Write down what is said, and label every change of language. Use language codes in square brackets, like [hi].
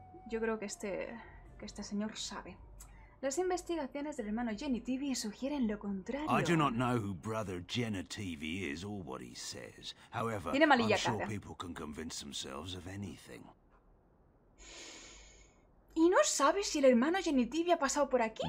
[es] Yo creo que este señor sabe. Las investigaciones del hermano Jenny TV sugieren lo contrario. [en] I do not know who brother Jenny TV is or what he says. However, [es] tiene malilla, [en] I'm sure people can convince themselves of anything. [es] ¿Y no sabes si el hermano Jenny TV ha pasado por aquí?